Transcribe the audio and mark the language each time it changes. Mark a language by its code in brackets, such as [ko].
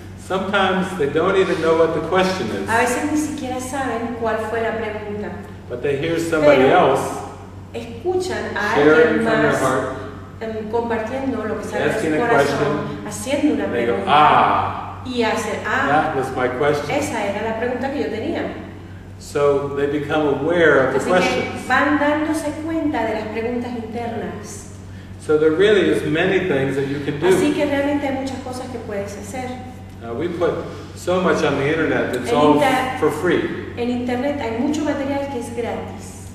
[en] Sometimes they don't even know what the question is. [es] A veces ni siquiera saben cuál fue la pregunta. [en] But they hear somebody [es] pero [en] else [es] escuchan a alguien más compartiendo lo que sale de su corazón, [en] question, [es] haciendo una [en] they [es] pregunta. [en] Go, ah, [es] y hacen, ah, [en] that was my question. [es] Esa era la pregunta que yo tenía. [en] So they become aware of the questions. [es] Van dándose cuenta de las preguntas internas. [en] So there really is many things that you can do. [es] Así que realmente hay muchas cosas que puedes hacer. [en] We put so much on the internet that's [es] en [en] all for free. [es] En internet hay mucho material que es gratis.